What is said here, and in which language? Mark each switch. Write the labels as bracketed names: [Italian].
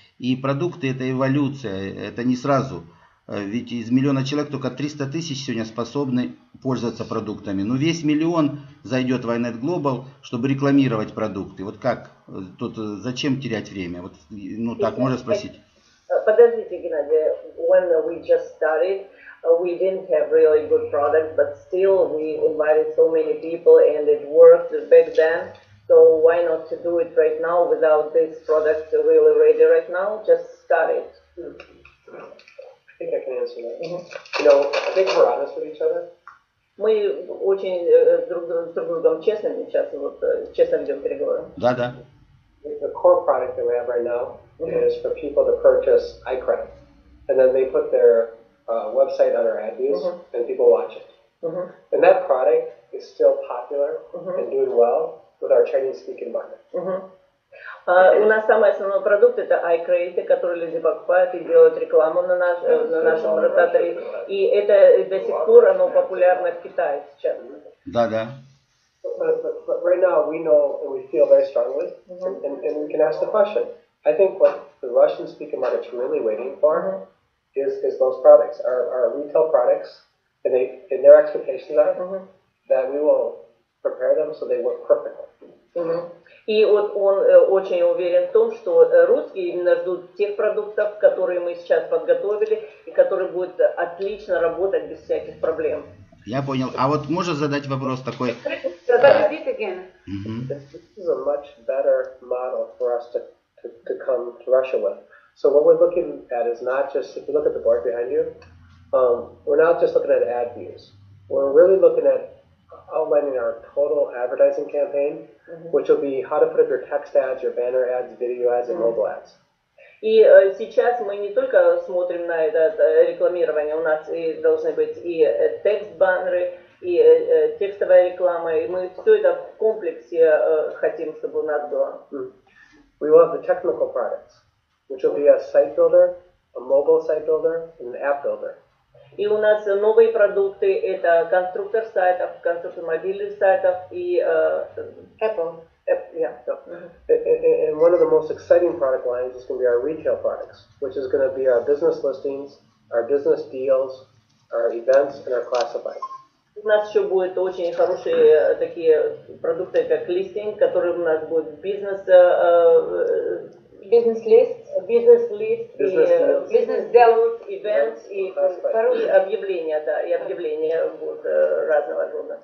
[Russian] И продукты – это эволюция, это не сразу. Ведь из миллиона человек только 300 тысяч сегодня способны пользоваться продуктами. Но весь миллион зайдет в Ionet Global, чтобы рекламировать продукты. Вот как? Тут зачем терять время? Вот, ну так, можно спросить. Подождите, Геннадий. [English] When we just started, we didn't have really good product, but still we invited so many people and it worked back then. So why not to do it right now without this product really ready right now? Just start it. I think I can answer that. Mm-hmm. You know, I think we're honest with each other. [Russian] Мы очень друг другом честны сейчас, вот честно ведем переговоры. Да, да. [English] The core product that we have right now mm-hmm. is for people to purchase iCredit. And then they put their website on our ad views mm-hmm. and people watch it. Mm-hmm. And that product is still popular mm-hmm. and doing well with our Chinese-speaking market. Mm-hmm. [Russian] У нас самый основной продукт — это iCreate, который люди покупают и делают рекламу на, наш, на нашем ротаторе. И это до сих пор оно популярно в Китае сейчас. Да, да. [English] But right now we know and we feel very strongly, and we can ask the question. I think what the Russian speaking market's really waiting for is those products, our retail products, and they and their expectations are that we will prepare them so they work perfectly. [Russian] И вот он очень уверен в том, что русские именно ждут тех продуктов, которые мы сейчас подготовили и которые будут отлично работать без всяких проблем. Я понял. А вот можно задать вопрос такой? [English] This is a much better model for us to come to Russia with. So what we're looking at is not just, if you look at the board behind you, we're not just looking at ad views. We're really looking at outlining our total advertising campaign, which will be how to put up your text ads, your banner ads, video ads, and mobile ads. [Russian] И сейчас мы не только смотрим на это рекламирование, у нас и должны быть и текст-баннеры, и текстовая реклама, и мы все это в комплексе хотим, чтобы у нас было. [English] We will have the technical products, which will be a site builder, a mobile site builder, and an app builder. [Russian] И у нас новые продукты – это конструктор сайтов, конструктор мобильных сайтов и [English] Apple. And one of the most exciting product lines is going to be our retail products, which is going to be our business listings, our business deals, our events, and our classifieds. [Russian] У нас еще будет очень хорошие такие продукты, как листинг, который у нас будет бизнес-лист, бизнес-дел, events и хорошие объявления, да, и объявления будут разного рода.